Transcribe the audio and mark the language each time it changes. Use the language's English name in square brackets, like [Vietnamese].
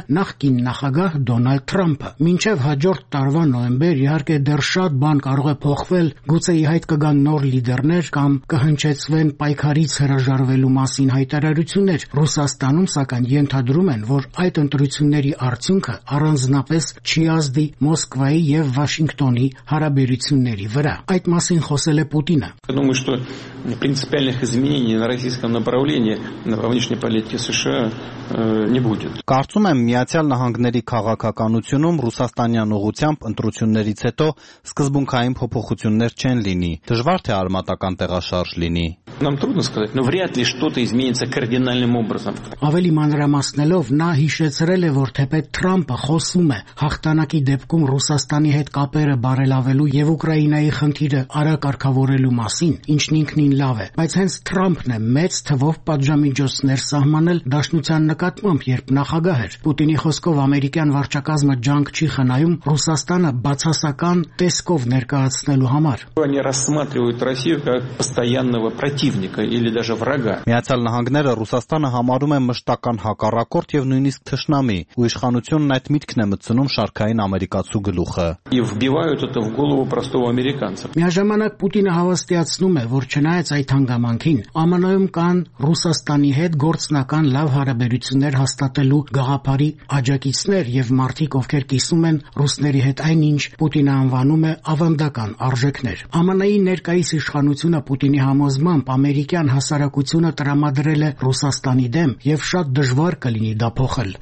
[Armenian] նախկին նախագահ Դոնալդ Թրամփը։ Մինչև հաջորդ տարվա նոյեմբեր, իհարկե, դեռ շատ բան կարող է փոխվել, գուցե իհայտ կգան նոր լիդերներ կամ կհնչեցվեն պայքարից հրաժարվելու մասին հայտարարություններ։ Ռուսաստանում, սակայն, ենթադրում են, որ այդ ընտրությունների արդյունքը առանձնապես չի ազդի Մոսկվայի և Վաշինգտոնի հարաբերությունների վրա։ Այդ մասին խոսել է Պուտինը։ [Russian] Принципиальных изменений на российском направлении на внешней политике США не будет. [Armenian] Կարծում եմ, Միացյալ Նահանգների քաղաքականությունում ռուսաստանյան ուղղությամբ ընտրություններից հետո սկզբունքային փոփոխություններ չեն լինի։ Դժվար թե արմատական տեղաշարժ լինի։ [Russian] Нам трудно сказать, но вряд ли что-то изменится кардинальным образом. [Armenian] Ավելի մանրամասնելով նա հիշեցրել է, որ թեպետ Թրամփը խոսում է հաղթանակի դեպքում ռուսաստանի հետ կապերը բարելավելու եւ Ուկրաինայի խնդիրը արագարկավորելու մասին, ինչն ինքնին լավ է, բայց հենց Թրամփն է մեծ թվով պատժամիջոցներ սահմանել դաշնության նկատմամբ, երբ նախագահ էր։ Պուտինի խոսքով ամերիկյան վարչակազմը ջանք չի խնայում Ռուսաստանը բացասական տեսքով ներկայացնելու համար։ [Russian] Они рассматривают Россию как постоянного противника или даже врага. [Armenian] Միացյալ Նահանգները Ռուսաստանը համարում է մշտական հակառակորդ եւ նույնիսկ թշնամի, ու իշխանությունն այդ միտքն է մտցնում շարքային ամերիկացու գլուխը. Եվ [Russian] вбивают это в голову простого американца. [Armenian] Միաժամանակ Պուտինը հավաստիացնում է, որ չնայած այդ հանգամանքին, ԱՄՆ-ում կան Ռուսաստանի հետ գործնական լավ հարաբերություններ հաստատելու գաղափարի աջակիցներ եւ մարդիկ, ովքեր կիսում են ռուսների հետ այնինչ Պուտինը անվանում է ավանդական արժեքներ։ ԱՄՆ-ի ներկայիս իշխանությունը Պուտինի համոզմամբ ամերիկյան հասարակությունը տրամադրել է Ռուսաստանի դեմ եւ շատ դժվար կլինի դա փոխել։